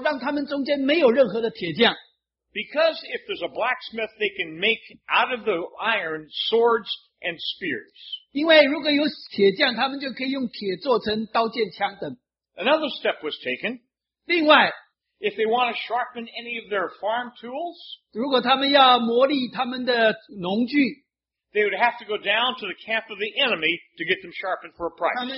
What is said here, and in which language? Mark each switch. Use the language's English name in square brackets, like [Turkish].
[English] because if there's a blacksmith, they can make out of the iron swords and spears. [Chinese] 因为如果有铁匠, [English] another step was taken. [Chinese] 另外, [English] if they want to sharpen any of their farm tools, [Chinese] 如果他们要磨砺他们的农具, [English] they would have to go down to the camp of the enemy to get them sharpened for a price.